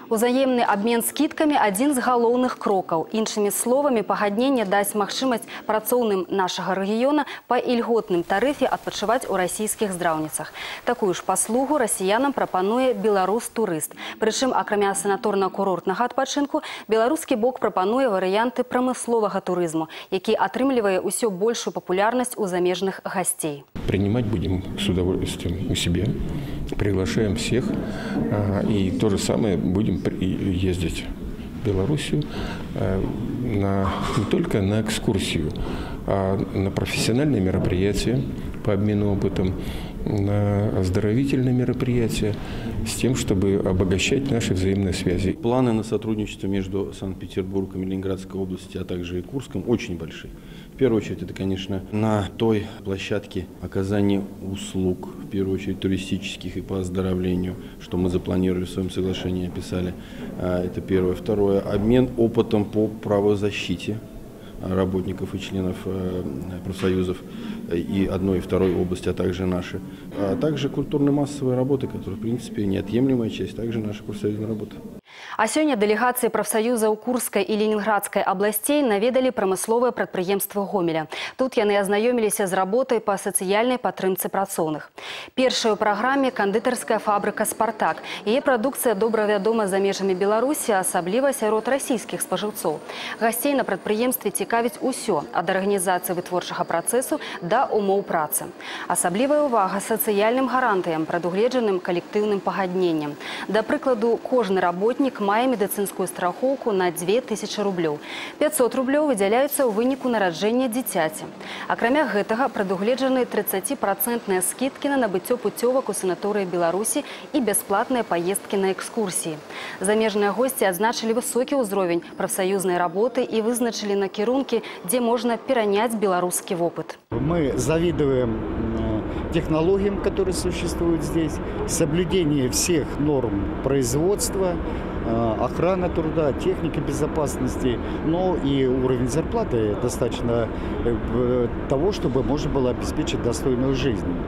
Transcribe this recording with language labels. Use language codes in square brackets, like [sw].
[be] Узаемны абмен скідкамі – адзін з галоўных крокаў. Іншымі словамі, пагадненне дасць магчымасць працоўным нашага рэгіёна па ільготным тарыфе адпачываць у расійскіх здраўніцах. Такую ж паслугу расіянам прапануе беларус-турыст. Прычым, акрамя санаторна-курортнага адпачынку, беларускі бок прапануе варыянты прамысловага турызму, які атрымлівае ўсё большую папулярнасць у замежных гостей. [ru] Принимать будем с удовольствием у себя. Приглашаем всех. И то же самое будем ездить в Белоруссию не только на экскурсию, а на профессиональные мероприятия по обмену опытом, на оздоровительные мероприятия с тем, чтобы обогащать наши взаимные связи. Планы на сотрудничество между Санкт-Петербургом и Ленинградской областью, а также и Курском, очень большие. В первую очередь, это, конечно, на той площадке оказания услуг, в первую очередь, туристических и по оздоровлению, что мы запланировали в своем соглашении, описали. Это первое. Второе. Обмен опытом по правозащите работников и членов профсоюзов и одной, и второй области, а также наши. А также культурно-массовые работы, которые, в принципе, неотъемлемая часть также нашей профсоюзной работы. [be] А сёння дэлегацыі прафсаюзаў Курскай і Ленінградскай абласцей наведалі прамысловае прадпрыемства Гомеля. Тут яны азнаёміліся з работай па сацыяльнай падтрымцы працоўных. Першая ў праграме кандытарская фабрыка «Спартак». Яе прадукцыя добра вядома за межамі Беларусі, асабліва сярод расійскіх спажыўцоў. Гасцей на прадпрыемстве цікавіць усё – ад арганізацыі вытворчага працэсу да умоў працы. Асаблівая ўвага сацыяльным гарантыям, прадугледжаным калектыўным пагадненнем. Да прыкладу, кожны работнік мае медыцынскую страхоўку на 2000 рублёў. 500 рублёў выдзяляюцца ў выніку нараджэння дзіцяці. Акрамя гэтага, прадугледжаны 30% скідкі на набыццё пуцёвак у санаторыі Беларусі і бясплатныя паездкі на экскурсіі. Замежныя госці адзначылі высокі ўзровень прафсаюзнай работы і вызначылі накірункі, дзе можна пераняць беларускі вопыт. [ru] Мы завідуем технологиям, которые существуют здесь, соблюдение всех норм производства, охрана труда, техника безопасности, но и уровень зарплаты достаточно того, чтобы можно было обеспечить достойную жизнь.